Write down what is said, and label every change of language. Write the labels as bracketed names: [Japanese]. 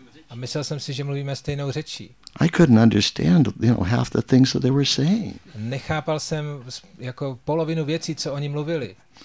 [Czech] A myslel jsem si, že mluvíme stejnou řečí. [English] I couldn't understand, you know, half the things that they were saying. [Czech] Nechápal jsem jako polovinu věcí, co oni mluvili.